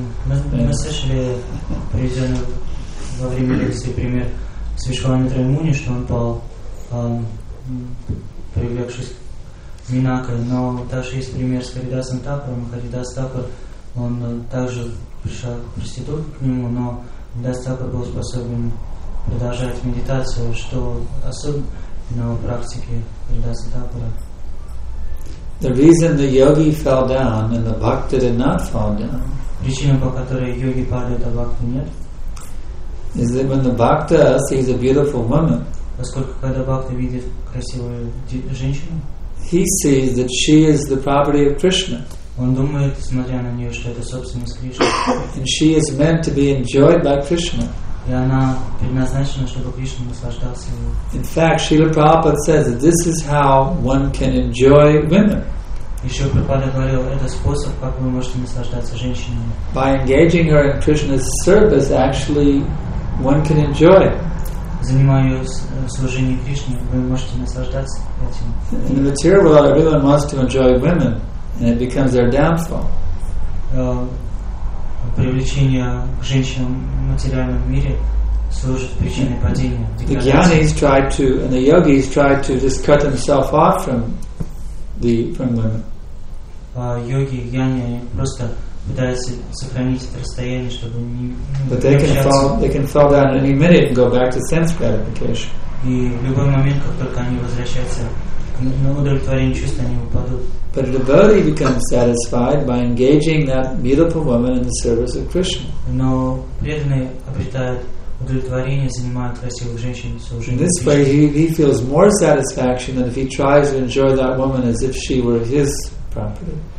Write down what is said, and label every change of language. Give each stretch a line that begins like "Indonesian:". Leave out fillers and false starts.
Russian: Мы слышали приведенный во время лекции пример с Вишвамитрой Муни, что он пал, привлекшись Минакой, но также есть пример с Харидасом Тапором. Харидас Тапор, он также пришел к проституту к нему, но Харидас Тапор был способен продолжать медитацию. Что особенно в практике Харидаса Тапора?
English: The reason the yogi fell down and the bhakta did not fall down.
Russian: Причина, по которой йоги падает, а бхакта нет.
English: Is that when the bhakta sees a beautiful woman?
Russian: Поскольку когда бхакта видит красивую женщину.
English: He sees that she is the property of Krishna.
Russian: Он думает, смотря на нее, что это собственность Кришны.
English: And she is meant to be enjoyed by Krishna.
Russian: И она предназначена, чтобы Кришна наслаждался ею.
English: In fact, Srila Prabhupada says that this is how one can enjoy women.
Russian: Еще Прабхупада говорил, это способ, как вы можете наслаждаться женщинами.
English: By engaging her in Krishna's service, actually, one can enjoy it.
Russian: Занимаясь служением Кришне, вы можете наслаждаться этим.
English: In the material world, everyone wants to enjoy women, and it becomes their downfall.
Russian: Привлечение к женщинам в материальном мире служит причиной падения.
English: The gyanis tried to, and the yogis tried to just cut themselves off from women.
Russian: Йоги, гьяни, они просто пытаются сохранить это расстояние, чтобы не общаться.
English: But they can fall down any minute and go back to sense gratification.
Russian: И в любой момент, как только они возвращаются на удовлетворение чувств, они упадут.
English: But a devotee becomes satisfied by engaging that beautiful woman in the service of Krishna.
Russian: Но преданные обретают удовлетворение, занимают красивых женщин, служение.
English: This way he feels more satisfaction than if he tries to enjoy that woman as if she were his property.